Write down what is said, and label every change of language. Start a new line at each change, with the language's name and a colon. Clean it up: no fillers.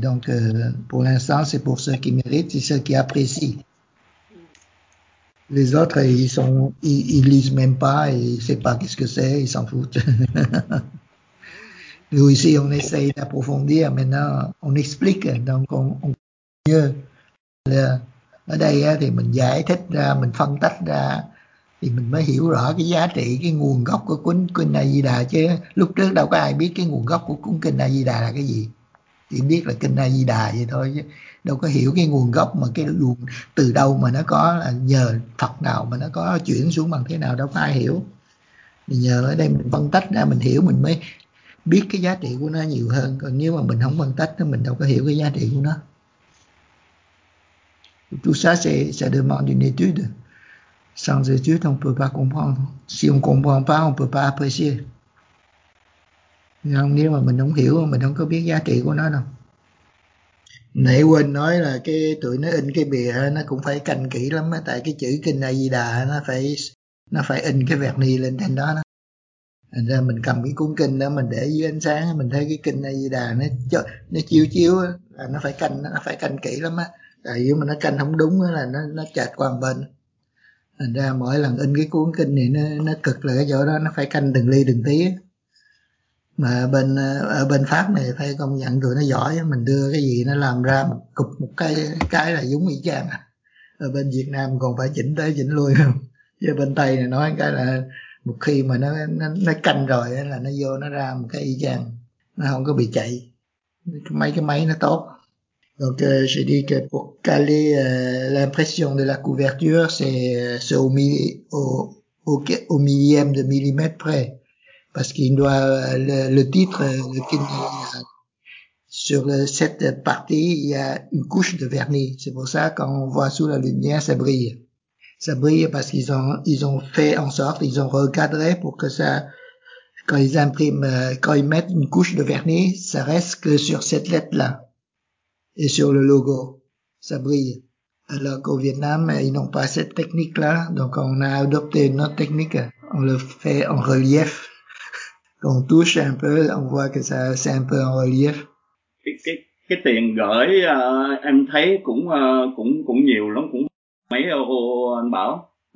French: Donc pour l'instant, c'est pour ceux qui méritent, c'est ceux qui apprécient. Les autres, ils lisent même pas, ils ne savent pas qu'est-ce que c'est, ils s'en foutent. Nous ici, on essaye d'approfondir. Maintenant, on explique, donc on mieux.
Vietnamese: Ở đây thì mình giải thích ra, mình phân tách ra, thì mình mới hiểu rõ cái giá trị, cái nguồn gốc của cuốn Kinh A Di Đà, chứ lúc trước đâu có ai biết cái nguồn gốc của cuốn Kinh A Di Đà là cái gì. Chỉ biết là Kinh A Di Đà vậy thôi, chứ đâu có hiểu cái nguồn gốc, mà cái nguồn từ đâu mà nó có, là nhờ Phật nào mà nó có chuyển xuống bằng thế nào, đâu có ai hiểu. Mình nhờ ở đây mình phân tách ra, mình hiểu, mình mới biết cái giá trị của nó nhiều hơn. Còn nếu mà mình không phân tách thì mình đâu có hiểu cái giá trị của nó.
French: Tout ça, ça demande une étude. Sans étude, on ne peut pas comprendre. Si on ne comprend pas, on ne peut pas apprécier.
Vietnamese: Nhưng nếu mà mình không hiểu, mình không có biết giá trị của nó đâu. Nãy quên nói là cái tụi nó in cái bìa nó cũng phải canh kỹ lắm á, tại cái chữ Kinh A Di Đà nó phải in cái vernis lên trên đó đó. Thành ra mình cầm cái cuốn kinh đó, mình để dưới ánh sáng, mình thấy cái Kinh A Di Đà nó chiếu chiếu là nó phải canh kỹ lắm á. Tại vì mà nó canh không đúng là nó chạy qua một bên. Thành ra mỗi lần in cái cuốn kinh này nó cực là cái chỗ đó, nó phải canh từng ly từng tí. Mà ở bên Pháp này phải công nhận tụi nó giỏi, mình đưa cái gì nó làm ra một cục một cái là giống y chang. Ở bên Việt Nam còn phải chỉnh tới chỉnh lui không? Chứ bên Tây này nói cái là một khi mà nó canh rồi là nó vô nó ra một cái y chang, nó không có bị chạy. Mấy cái máy nó tốt.
French: Donc j'ai dit que pour caler l'impression de la couverture, c'est au millième de millimètre près, parce qu'il doit le titre le sur cette partie il y a une couche de vernis. C'est pour ça quand on voit sous la lumière ça brille. Ça brille parce qu'ils ont fait en sorte, ils ont recadré pour que ça, quand ils impriment, quand ils mettent une couche de vernis, ça reste que sur cette lettre là. Et sur le logo, ça brille. Alors qu'au Vietnam, ils n'ont pas cette technique-là. Donc, on a adopté notre technique. On le fait en relief. Quand on touche un peu, on voit que ça, c'est un peu en relief.
Vietnamese: Cái tiền gửi, em thấy cũng nhiều lắm, cũng mấy euro anh Bảo.